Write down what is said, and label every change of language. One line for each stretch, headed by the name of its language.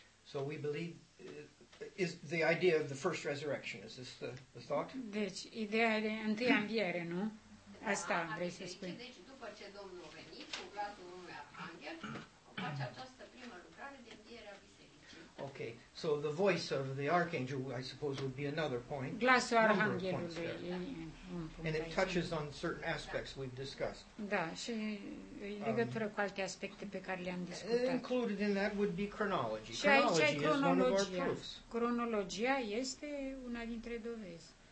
English: So we believe is the idea of the first resurrection, is this the thought?
Romanian: Deci, ideea de întâia înviere, nu? Asta da, vrei să spui. Deci, după ce Domnul a venit cu glasul unui arhanghel, o face această primă lucrare de învierea bisericii.
English: Okay. So the voice of the archangel, I suppose, would be another point.
Romanian: Glasul arhanghelului.
English: And it touches on certain aspects we've discussed.
Romanian: Da, și în legătură cu alte aspecte pe care le-am discutat.
English: Included in that would be chronology.
Romanian: Și aici cronologia.
English: Is one of our proofs.
Romanian: Cronologia este una dintre dovezi.